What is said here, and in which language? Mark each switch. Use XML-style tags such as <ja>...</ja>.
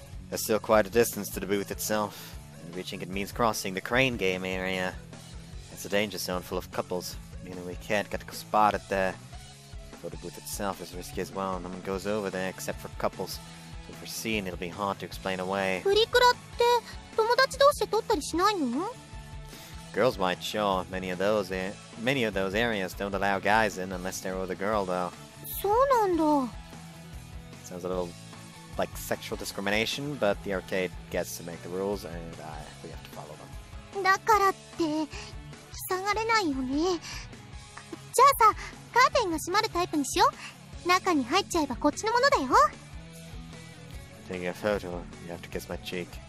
<en>There's still quite a distance to the booth itself. And reaching it means crossing the crane game area. It's a danger zone full of couples, meaning we can't get spotted there. But the booth itself is risky as well. No one goes over there except for couples. So if we're seen, it'll be hard to explain away.</en> <ja>振りくらって友達同士で撮ったりしないの?</ja> <en>Girls might, sure. Many of those areas don't allow guys in unless they're with a girl, though.</en> <ja>そうなんだ.</ja> <en>Sounds a little like sexual discrimination, but the arcade gets to make the rules, and we have to follow them.</en> <ja>だからって塞がれないよね。じゃあさ、カーテンが閉まるタイプにしよう。中に入っちゃえばこっちのものだよ。</ja> <en>Taking a photo, you have to kiss my cheek.</en>